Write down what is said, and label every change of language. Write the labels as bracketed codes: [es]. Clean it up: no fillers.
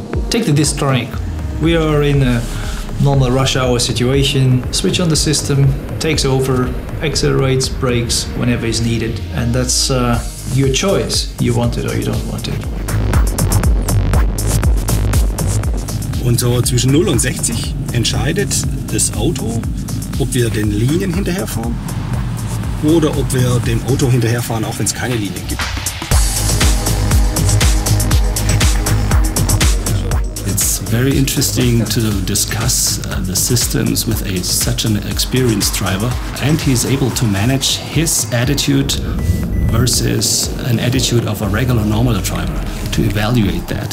[en] Take the disc. We are in a normal rush hour situation. Switch on the system, takes over, accelerates, brakes whenever is needed. And that's your choice. You want it or you don't want it. [de] Und so zwischen 0 und 60 entscheidet das Auto, ob wir den Linien hinterherfahren oder ob wir dem Auto hinterherfahren, auch wenn es keine Linien gibt. [en] It's very interesting to discuss the systems with such an experienced driver, and he's able to manage his attitude versus an attitude of a regular normal driver to evaluate that.